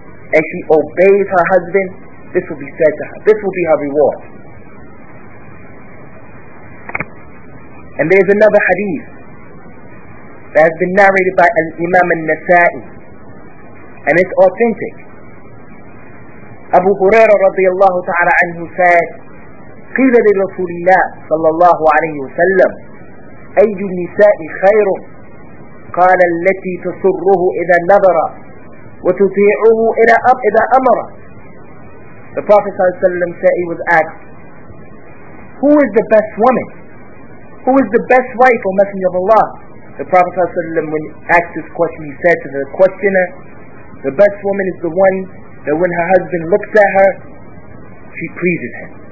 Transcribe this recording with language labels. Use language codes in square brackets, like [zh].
[en] And she obeys her husband, this will be said to her. This will be her reward. And there's another hadith that has been narrated by Imam al-Nasa'i, and it's authentic. [ar] Abu Huraira radiallahu ta'ala anhu said, قِيلَ لِرَسُولِ اللَّهِ صلى الله عليه وسلم أَيُّ النِّسَاءِ خَيْرٌ قَالَ الَّتِي تَسُرُّهُ إِذَا نَظَرَ وَتُطِيعُهُ إِذَا أَمَرَ. [en] The Prophet صلى الله عليه وسلم said, he was asked, who is the best woman? Who is the best wife, O Messenger of Allah? The Prophet صلى الله عليه وسلم, when asked this question, he said to the questioner, the best woman is the one that when her husband looks at her, she pleases him.